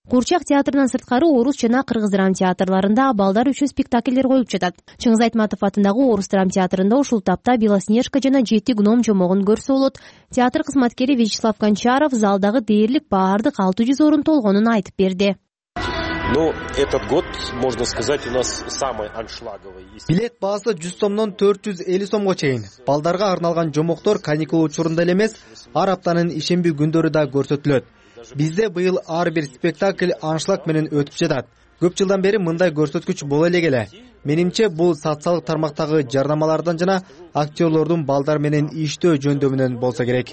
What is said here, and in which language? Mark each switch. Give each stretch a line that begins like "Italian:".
Kyrgyz: Курчак театрынан сырткары орус жана кыргыз драм театрларында балдар үчүн спектакльдер коюлуп жатат. Чыңгыз Айтматов атындагы орус драм театрында ушул тапта Белоснежка жана Жети гном жомогун көрсө болот. Театр кызматкери Вячеслав Гончаров залдагы дээрлик баардык 600 орун толгонун айтып берди.
Russian: Но этот год, можно сказать, у нас самый аншлаговый.
Kyrgyz: Билет баасы 100 сомдон 450 сомго чейин. Балдарга арналган жомоктор каникул учурунда эле эмес, ар аптанын ишемби күндөрү да көрсөтүлөт. Бизде быйыл ар бир спектакль аншлаг менен өтүп жатат. Көп жылдан бери мындай көрсөткүч боло эле келе. Менимче бул социалдык тармактагы жарнамалардан жана актерлордун балдар менен иштөө жөндөмүнөн болсо керек.